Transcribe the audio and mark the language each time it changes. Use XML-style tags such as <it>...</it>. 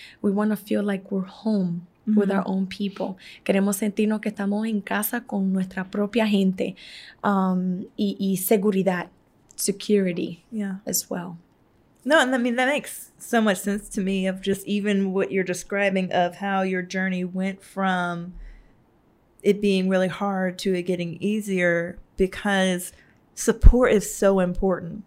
<en>We want to feel like we're home, mm-hmm, with our own people.</en> <es>Queremos sentirnos que estamos en casa con nuestra propia gente. Y seguridad, security,</es> <en>yeah, as well. No, and I mean, that makes so much sense to me, of just even what you're describing of how your journey went from it being really hard to it getting easier, because support is so important.</en>